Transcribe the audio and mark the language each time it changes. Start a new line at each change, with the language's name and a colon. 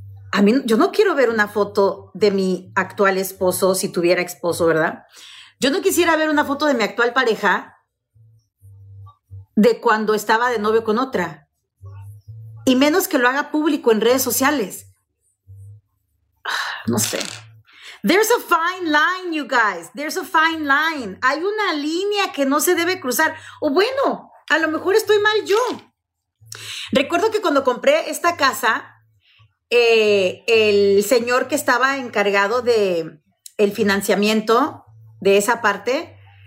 Spanish: A mí, yo no quiero ver una foto de mi actual esposo, si tuviera esposo, ¿verdad? Yo no quisiera ver una foto de mi actual pareja de cuando estaba de novio con otra. Y menos que lo haga público en redes sociales. No sé.
English: There's a fine line, you guys. There's a fine line.
Spanish: Hay una línea que no se debe cruzar. O bueno, a lo mejor estoy mal yo. Recuerdo que cuando compré esta casa, el señor que estaba encargado de el financiamiento de esa parte,